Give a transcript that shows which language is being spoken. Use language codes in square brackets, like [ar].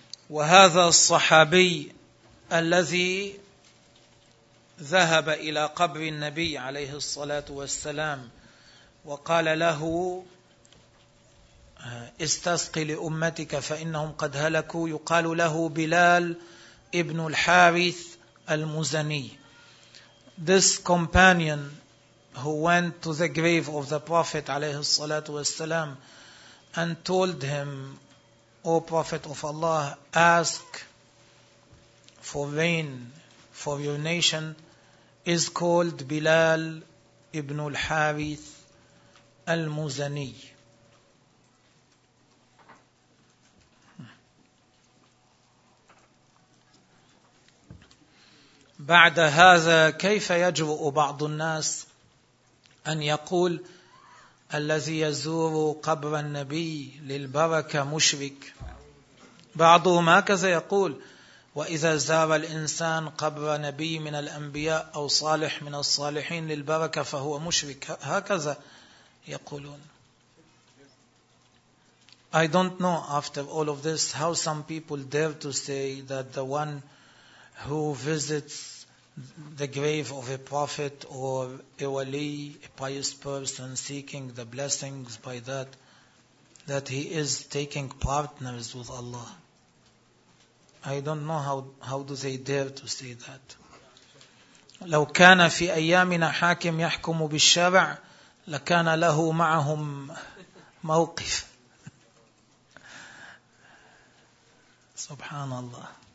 [ar] وهذا الصحابي الذي ذهب إلى قبر النبي عليه الصلاة والسلام وقال له استسقي لأمتك فإنهم قد هلكوا، يقال له بلال ابن الحارث المزني. [en] This companion who went to the grave of the Prophet [ar] عليه الصلاة والسلام [en] and told him, O Prophet of Allah, ask for rain for your nation, is called Bilal ibn al-Harith al-Muzani. [ar] بعد هذا كيف يجرؤ بعض الناس أن يقول الذي يزور قبر النبي للبركة مشرك؟ بعضهم هكذا يقول وإذا زار الإنسان قبر نبي من الأنبياء أو صالح من الصالحين للبركة فهو مشرك، هكذا يقولون. [en] I don't know after all of this how some people dare to say that the one who visits the grave of a prophet or a wali, a pious person seeking the blessings by that he is taking partners with Allah. I don't know how do they dare to say that. [ar] لو كان في أيامنا حاكم يحكم بالشرع لكان له معهم موقف. سبحان الله.